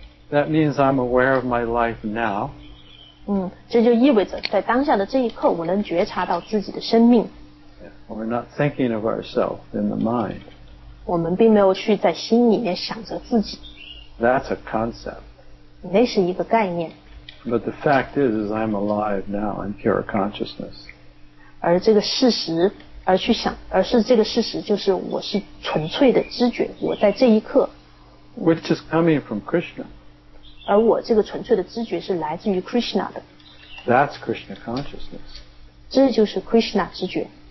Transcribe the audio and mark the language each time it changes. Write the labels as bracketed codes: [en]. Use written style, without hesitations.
[en] That means I'm aware of my life now. [zh] 这就意味着在当下的这一刻我能觉察到自己的生命。 [en] We're not thinking of ourselves in the mind. [zh] 我们并没有去在心里面想着自己。 [en] That's a concept. [zh] 那是一个概念。 [en] But the fact is I'm alive now in pure consciousness. [zh] 而这个事实而去想，而是这个事实，就是我是纯粹的知觉，我在这一刻。 [en] Which is coming from Krishna. [zh] 而我这个纯粹的知觉是来自于 Krishna 的。 [en] That's Krishna consciousness. [zh] 这就是 Krishna 知觉。